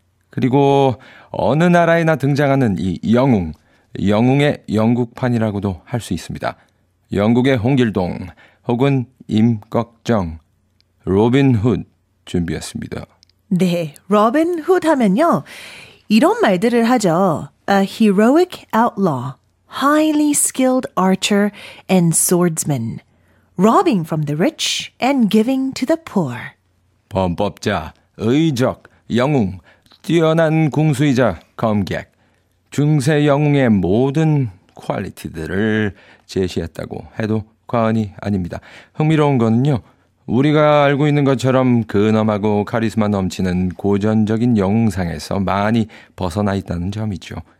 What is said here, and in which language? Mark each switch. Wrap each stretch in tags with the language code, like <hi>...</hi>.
<ko>그리고 어느 나라에나 등장하는 이 영웅, 영웅의 영국판이라고도 할 수 있습니다. 영국의 홍길동 혹은 임꺽정, 로빈훗 준비했습니다. 네, 로빈훗 하면요. 이런 말들을 하죠.</ko> <en>A heroic outlaw, highly skilled archer and swordsman, robbing from the rich and giving to the poor.</en> <ko>범법자, 의적, 영웅, 뛰어난 궁수이자 검객, 중세 영웅의 모든 퀄리티들을 제시했다고 해도 과언이 아닙니다. 흥미로운 거는요, 우리가 알고 있는 것처럼 근엄하고 카리스마 넘치는 고전적인 영웅상에서 많이 벗어나 있다는 점이죠.</ko>